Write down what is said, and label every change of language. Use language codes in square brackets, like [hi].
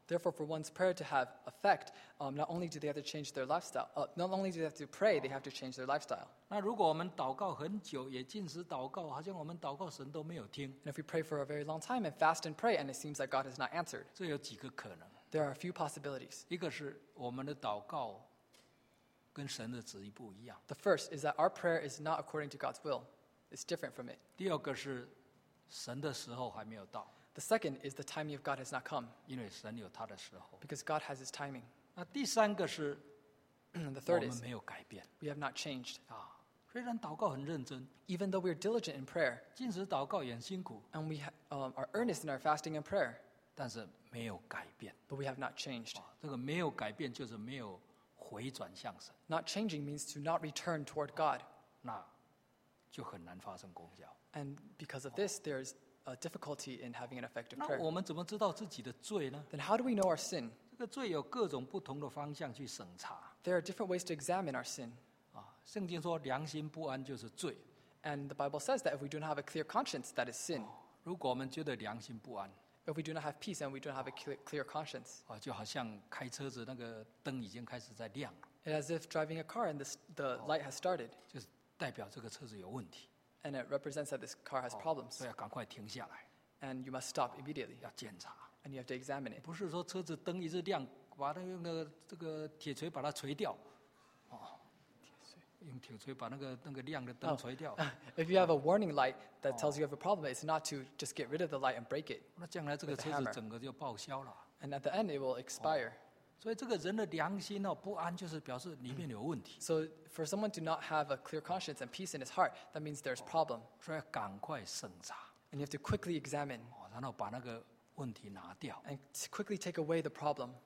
[en] Therefore, for one's prayer to have effect, not only do they have to change their lifestyle, not only do they have to pray, they have to change their lifestyle. [zh] 那如果我们祷告很久，也禁食祷告，好像我们祷告神都没有听。 [en] And if we pray for a very long time and fast and pray, and it seems like God has not answered. [zh] 这有几个可能。 [en] There are a few possibilities. [zh] 一个是我们的祷告跟神的旨意不一样。 [en] The first is that our prayer is not according to God's will. It's different from it. [zh] 第二个是神的时候还没有到。 [en] The second is the timing of God has not come. [zh] 因为神有他的时候。 [en] Because God has his timing. [zh] 那第三个是 [en] the third is, [zh] 我们没有改变。 [en] We have not changed. [zh] 虽然祷告很认真。 [en] Even though we are diligent in prayer. [zh] 禁食祷告也很辛苦。 [en] And we are earnest in our fasting and prayer. [zh] 但是没有改变。 [en] But we have not changed. [zh] 这个没有改变就是没有回转向神。 [en] Not changing means to not return toward God. [zh] 那就很难发生功效。 [en] And because of this, there is a difficulty in having an effective prayer. [zh] 那我们怎么知道自己的罪呢？ [en] Then how do we know our sin? [zh] 这个罪有各种不同的方向去审查。 [en] There are different ways to examine our sin. [zh] 圣经说良心不安就是罪。 [en] And the Bible says that if we do not have a clear conscience, that is sin. [zh] 如果我们觉得良心不安， [en] If we do not have peace and we don't have a clear conscience. [zh] 就好像开车子那个灯已经开始在亮。 [en] It's as if driving a car and the light has started. [zh] 就是代表这个车子有问题。 [en] And it represents that this car has problems. [zh] 所以要赶快停下来。 [en] And you must stop immediately. [zh] 要检查。 [en] And you have to examine it. [zh] 不是说车子灯一直亮，把那个这个铁锤把它锤掉。用铁锤把那个亮的灯锤掉。 [en] If you have a warning light that tells you have a problem, it's not to just get rid of the light and break it. [zh] 那将来这个车子整个就报销了。 [en] And at the end, it will expire. [zh] 所以这个人的良心不安，就是表示里面有问题。 [en] So for someone to not have a clear conscience and peace in his heart, that means there's problem. [zh] 所以要赶快审查。 [en] And you have to quickly examine. [zh] 然后把那个问题拿掉。 [en] And quickly take away the problem.